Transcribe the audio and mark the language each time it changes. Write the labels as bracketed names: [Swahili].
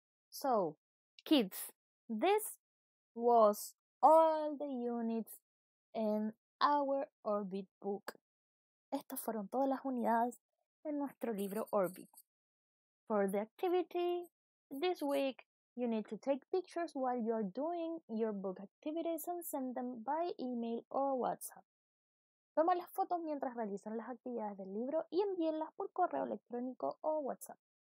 [English] So, kids, this was all the units in our Orbit book. [Spanish] Estas fueron todas las unidades en nuestro libro Orbit. [English] For the activity this week, you need to take pictures while you're doing your book activities and send them by email or WhatsApp. [Spanish] Toma las fotos mientras realizan las actividades del libro y envíenlas por correo electrónico o WhatsApp.